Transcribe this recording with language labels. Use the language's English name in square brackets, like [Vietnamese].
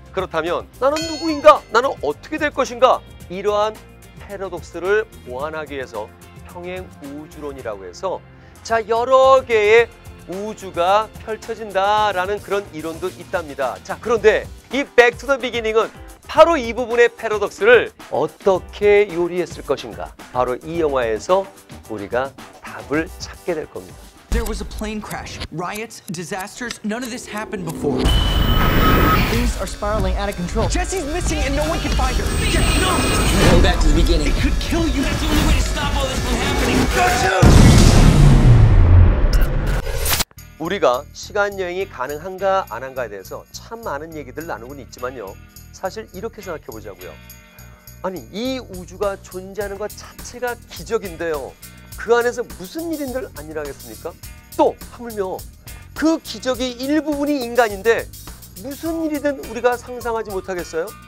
[Korean] 그렇다면 나는 누구인가? 나는 어떻게 될 것인가? 이러한 패러독스를 보완하기 위해서 평행 우주론이라고 해서 자 여러 개의 우주가 펼쳐진다라는 그런 이론도 있답니다. 자, 그런데 이 Back to the Beginning은 바로 이 부분의 패러독스를 어떻게 요리했을 것인가? 바로 이 영화에서 우리가 답을 찾게 될 겁니다. [English] There was a plane crash, riots, disasters. None of this happened before. Things are spiraling out of control. Jesse's missing and no one can find her. Yes, no! Go back to the beginning. It could kill you. That's the only way to stop all this from happening. Got you! [Korean] 우리가 시간여행이 가능한가 안 한가에 대해서 참 많은 얘기들 나누고는 있지만요. 사실 이렇게 생각해보자고요. 아니, 이 우주가 존재하는 것 자체가 기적인데요. 그 안에서 무슨 일인들 아니라겠습니까? 또 하물며 그 기적이 일부분이 인간인데 무슨 일이든 우리가 상상하지 못하겠어요?